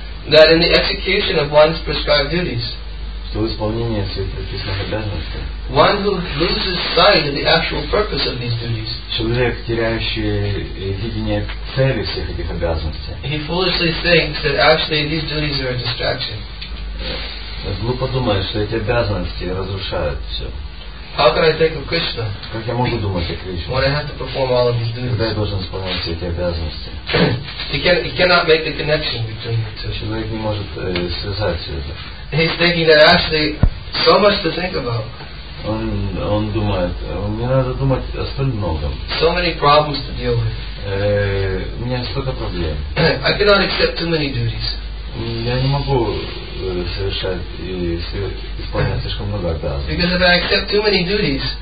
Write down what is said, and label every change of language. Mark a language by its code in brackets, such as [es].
[en] that in the execution of one's prescribed duties, [ru] что в исполнении своих предписанных обязанностей, [en] one who loses sight of the actual purpose of these duties, [ru] человек, теряющий видение цели всех этих обязанностей, [en] he foolishly thinks that actually these duties are a distraction. [ru] Глупо думает, что эти обязанности разрушают все. [en] How can I think of Krishna? [ru] Как я могу думать о Кришне? [en] When I have to perform all of these duties. [ru] Когда я должен исполнять все эти обязанности. [en] He cannot make the connection between the two. [ru] Человек не может связать все это. [en] He's thinking that actually so much to think about. [ru] Он, он думает, мне надо думать о столь многом. [en] So many problems to deal with. [ru] У меня столько проблем. [en] I cannot accept too many duties. [ru] Я не могу совершать и исполнять слишком много обязанностей. [en] Because if I accept too many duties,